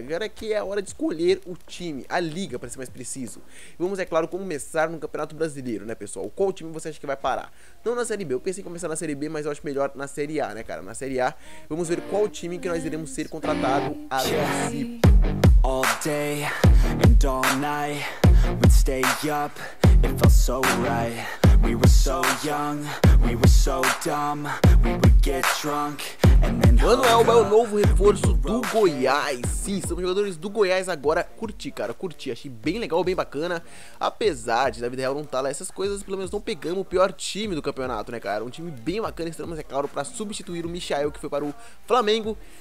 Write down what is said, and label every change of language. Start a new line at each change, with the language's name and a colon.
Portuguese: Agora aqui é a hora de escolher o time, a liga, pra ser mais preciso. Vamos, é claro, começar no Campeonato Brasileiro, né, pessoal? Qual time você acha que vai parar? Não na Série B, eu pensei em começar na Série B, mas eu acho melhor na Série A, né, cara? Na Série A, vamos ver qual time que nós iremos ser contratado a princípio.
English: All day and all night, we'd stay up, it felt so right. We were so young, we were so dumb, we would get drunk.
Portuguese: Manoel é o novo reforço do Goiás. Sim, somos jogadores do Goiás agora. Curti, cara, curti. Achei bem legal, bem bacana. Apesar de na vida real não estar lá essas coisas, pelo menos não pegamos o pior time do campeonato, né, cara? Um time bem bacana, estamos, é claro, para substituir o Michael, que foi para o Flamengo.